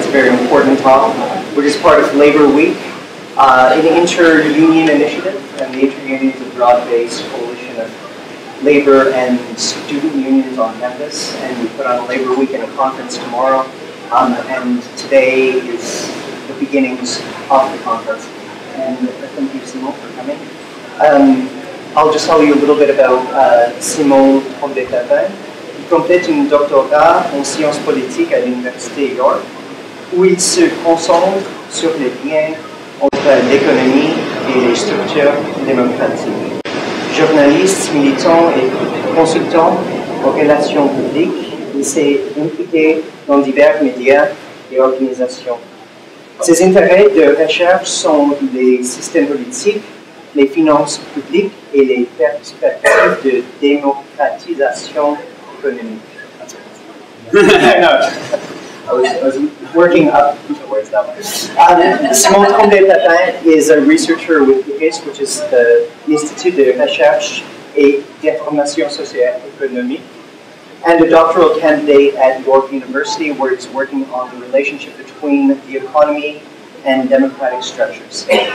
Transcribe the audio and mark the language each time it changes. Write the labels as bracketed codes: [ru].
[en] It's a very important talk, which is part of Labor Week, an inter-union initiative, and the inter-union is a broad-based coalition of labor and student unions on campus, and we put on a Labor Week and a conference tomorrow, and today is the beginnings of the conference, and thank you, Simon, for coming. I'll just tell you a little bit about Simon Tremblay-Pepin. [fr] Il complète une doctorat en sciences politiques à l'Université York, où il se concentre sur les liens entre l'économie et les structures démocratiques. Journaliste, militant et consultant aux relations publiques, il s'est impliqué dans divers médias et organisations. Ses intérêts de recherche sont les systèmes politiques, les finances publiques et les perspectives de démocratisation économique. [en] I was working up towards that one. Simon Tremblay-Pepin is a researcher with IRIS, which is the Institut de Recherche et d'Information Socio-Économique, and a doctoral candidate at York University, where it's working on the relationship between the economy and democratic structures.